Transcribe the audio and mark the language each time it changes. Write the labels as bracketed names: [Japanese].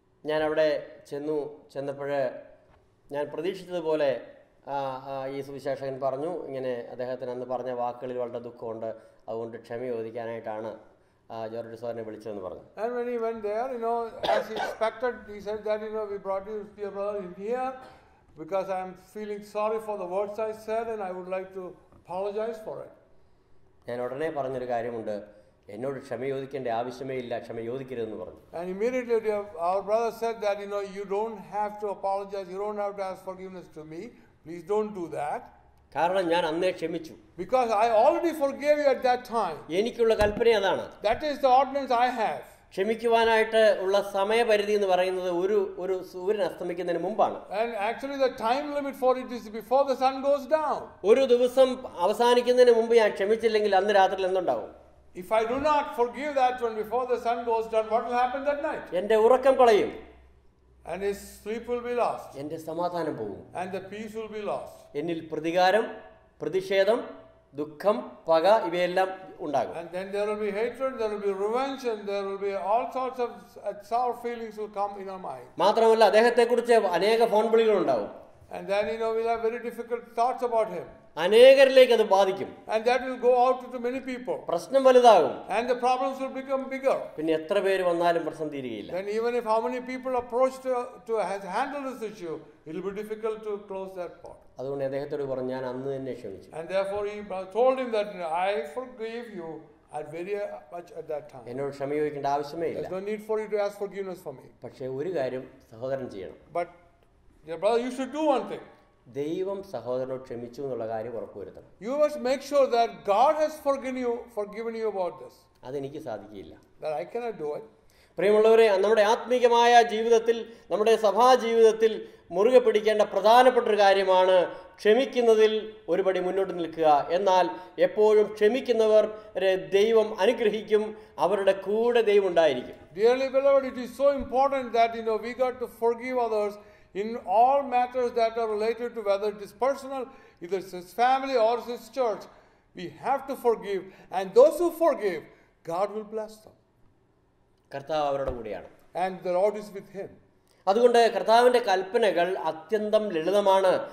[Malayalam] ഞാൻ അവിടെ ചെന്നപ്പോഴേ ഞാൻ പ്രതീക്ഷിച്ചതുപോലെ ഈ സുവിശേഷകൻ പറഞ്ഞു ഇങ്ങനെ അദ്ദേഹത്തിന് അന്ന് പറഞ്ഞ വാക്കുകളിൽ വളരെ ദുഃഖമുണ്ട് അതുകൊണ്ട് ക്ഷമ ചോദിക്കാനായിട്ടാണ് ജോർജ് സാറിനെ വിളിച്ചതെന്ന് പറഞ്ഞു. [English] And when he went there, you know, as he expected, he said that, you know, we brought you to your brother in here because I am feeling sorry for the words I said and I would like to apologize for it. [Malayalam] ഞാൻ ഉടനെ പറഞ്ഞൊരു കാര്യമുണ്ട്, എന്നോട് ക്ഷമ ചോദിക്കേണ്ട ആവശ്യമേ ഇല്ല, ക്ഷമ ചോദിക്കരുതെന്ന് പറഞ്ഞു. [English] And immediately our brother said that, you know, you don't have to apologize, you don't have to ask forgiveness to me. Please don't do that. [Malayalam] കാരണം ഞാൻ അന്നേ ക്ഷമിച്ചു. [English] Because I already forgave you at that time. [Malayalam] എനിക്കുള്ള കൽപ്പന അതാണ്. [English] That is the ordinance I have. [Malayalam] ക്ഷമിക്കുവാനായിട്ട് ഉള്ള സമയപരിധി എന്ന് പറയുന്നത് ഒരു ഒരു സൂര്യൻ അസ്തമിക്കുന്നതിന് മുമ്പാണ്. [English] And actually the time limit for it is before the sun goes down. [Malayalam] ഒരു ദിവസം അവസാനിക്കുന്നതിന് മുമ്പ് ഞാൻ ക്ഷമിച്ചില്ലെങ്കിൽ അന്ന് രാത്രിയിൽ എന്തുണ്ടാവും? [English] If I do not forgive that one before the sun goes down, what will happen that night? [Malayalam] എന്റെ ഉറക്കം കളയും. [English] And his sleep will be lost. [Malayalam] എന്റെ സമാധാനം പോകും. [English] And the peace will be lost. [Malayalam] എന്നിൽ പ്രതികാരം, പ്രതിഷേധം, ദുഃഖം, പക ഇവയെല്ലാം ഉണ്ടാകും. [English] And then there will be hatred, there will be revenge, and there will be all sorts of sour feelings will come in our mind. [Malayalam] മാത്രമല്ല അദ്ദേഹത്തെക്കുറിച്ച് അനേക ഫോൺ വിളികൾ ഉണ്ടാകും. [English] And then, you know, we'll have very difficult thoughts about him. [Malayalam] അനേകരിലേക്ക് അത് ബാധിക്കും. [English] And that will go out to many people. [Malayalam] പ്രശ്നം വലുതാകും. [English] And the problems will become bigger. [Malayalam] പിന്നെ എത്ര പേര് വന്നാലും പ്രശ്നം തീരുകയില്ല. [English] Then even if how many people approached to has handled this issue, it'll be difficult to close that pot. [Malayalam] അതുകൊണ്ട് അദ്ദേഹത്തോട് പറഞ്ഞു, ഞാൻ അന്ന് തന്നെ ക്ഷമിച്ചു. [English] And therefore he told him that I forgive you at very much at that time. [Malayalam] എന്നോട് ക്ഷമ ചോദിക്കേണ്ട ആവശ്യമേ ഇല്ല. [English] There's no need for you to ask forgiveness for me. [Malayalam] പക്ഷേ ഒരു കാര്യം സഹോദരൻ ചെയ്യണം. [English] But dear brother, you should do one thing. [Malayalam] ദൈവം സഹോദരനോട് ക്ഷമിച്ചു എന്നുള്ള കാര്യം ഉറപ്പുവരുത്തണം. [English] You must make sure that God has forgiven you about this. [Malayalam] അത് എനിക്ക് സാധിക്കില്ല. [English] That I cannot do it. [Malayalam] പ്രിയമുള്ളവരെ, നമ്മുടെ ആത്മീയമായ ജീവിതത്തിൽ, നമ്മുടെ സഭാ ജീവിതത്തിൽ മുറുകെ പിടിക്കേണ്ട പ്രധാനപ്പെട്ട ഒരു കാര്യമാണ് ക്ഷമിക്കുന്നതിൽ ഒരുപടി മുന്നോട്ട് നിൽക്കുക. എന്നാൽ എപ്പോഴും ക്ഷമിക്കുന്നവരെ ദൈവം അനുഗ്രഹിക്കും, അവരുടെ കൂടെ ദൈവം ഉണ്ടായിരിക്കും. [English] Dearly beloved, it is so important that, you know, we got to forgive others in all matters that are related to, whether it is personal, either it's his family or it's his church, we have to forgive. And those who forgive, God will bless them. [Malayalam] കർത്താവ് അവരുടെ കൂടെയാണ്. [English] And the Lord is with him. [Malayalam] അതുകൊണ്ട് കർത്താവിന്റെ കൽപ്പനകൾ അത്യന്തം ലളിതമാണ്.